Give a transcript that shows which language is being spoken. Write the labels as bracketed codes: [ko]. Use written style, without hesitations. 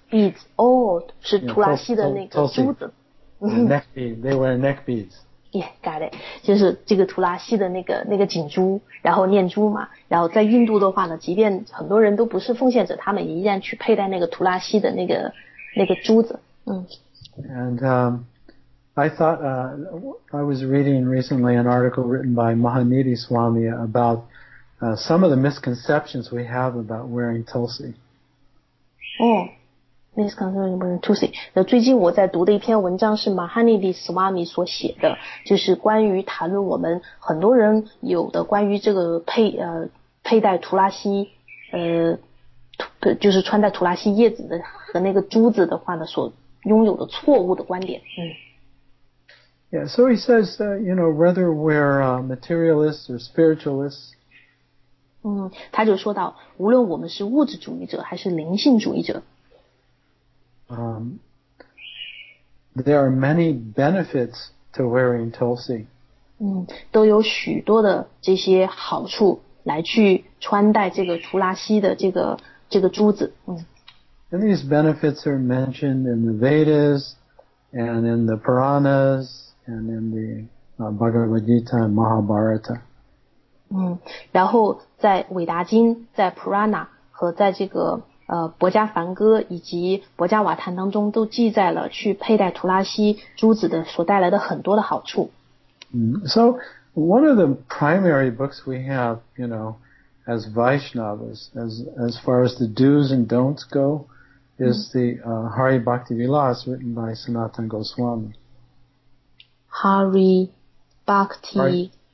[zh] Beads. 是图拉西的那个珠子。 [en] Neck beads. They wear neck beads. Yeah, got it. [zh] 就是这个图拉西的那个颈珠，然后念珠嘛。然后在印度的话呢，即便很多人都不是奉献者，他们也依然去佩戴那个图拉西的那个珠子。 [en] And I thought I was reading recently an article written by Mahanidhi Swami about. Some of the misconceptions we have about wearing tulsi. Misconception about wearing tulsi. [zh] 最近我在读的一篇文章是 Mahanidhi Swami 所写的，就是关于谈论我们很多人有的关于这个佩戴图拉西就是穿戴图拉西叶子的和那个珠子的话呢，所拥有的错误的观点。 [en] Yeah, so he says, whether we're materialists or spiritualists. [zh] 他就说到，无论我们是物质主义者还是灵性主义者， [en] there are many benefits to wearing tulsi. [zh] 都有许多的这些好处来去穿戴这个图拉西的这个珠子。 [en] And these benefits are mentioned in the Vedas and in the Puranas and in the Bhagavad Gita and Mahabharata. [zh] 然后在韦达经、在普拉纳和在这个博迦梵歌以及博迦瓦坛当中，都记载了去佩戴图拉西珠子的所带来的很多的好处。 [en] So one of the primary books we have, as Vaishnavas, as far as the do's and don'ts go, is the Hari Bhakti Vilas written by Sanatan Goswami. Hari Bhakti